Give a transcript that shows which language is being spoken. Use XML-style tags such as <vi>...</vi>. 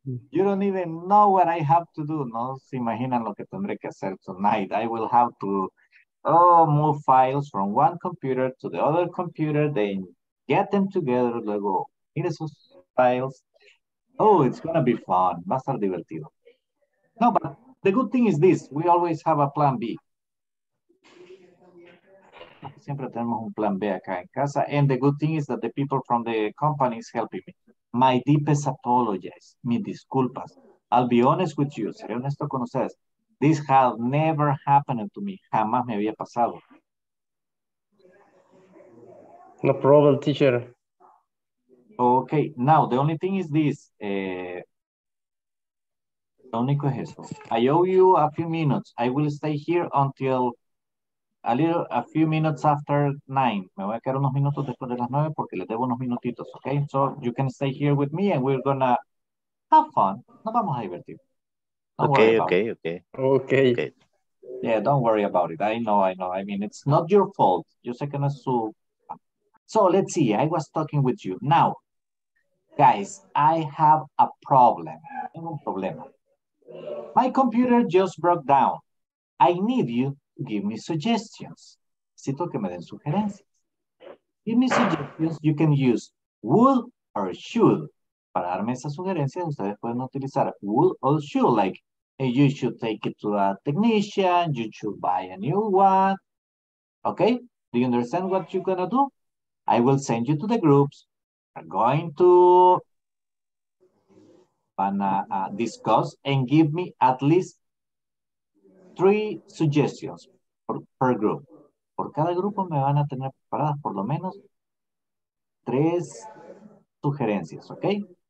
<en>You don't even know what I have to do.</en> <es>No se imaginan lo que tendré que hacer</es> <en>tonight. I will have to move files from one computer to the other computer, then get them together,</en> <es>luego ir esos</es> <en>files. Oh, it's going to be fun.</en> <es>Va a ser divertido.</es> <en>No, but the good thing is this. We always have a plan B.</en> <es>Siempre tenemos un plan B acá en casa.</es> <en>And the good thing is that the people from the company is helping me. My deepest apologies,</en> <es>mi disculpas.</es> <en>I'll be honest with you,</en> <es>seré honesto con ustedes.</es> <en>This has never happened to me,</en> <es>jamás me había pasado.</es> <en>No problem, teacher. Okay, now the only thing is this.</en> <es>Lo único es eso.</es> <en>I owe you a few minutes. I will stay here until a few minutes after 9.</en> <es>Me voy a quedar unos minutos después de las 9 porque les debo unos minutitos, okay?</es> <en>So you can stay here with me and we're gonna have fun.</en> <es>Nos vamos a divertir.</es> <en>Okay. Yeah, don't worry about it. I know. I mean, it's not your fault.</en> <es>Yo sé que no es su...</es> <en>So let's see. I was talking with you. Now, guys, I have a problem.</en> <es>Tengo un problema.</es> <en>My computer just broke down. I need you. Give me suggestions.</en> <es>Necesito que me den sugerencias.</es> <en>Give me suggestions. You can use would or should.</en> <es>Para darme esas sugerencias, ustedes pueden utilizar</es> <en>would or should. Like, you should take it to a technician. You should buy a new one. Okay? Do you understand what you're going to do? I will send you to the groups. I'm going to discuss and give me at least 3 suggestions per group.</en> <es>Por cada grupo me van a tener preparadas por lo menos 3 sugerencias, okay?</es>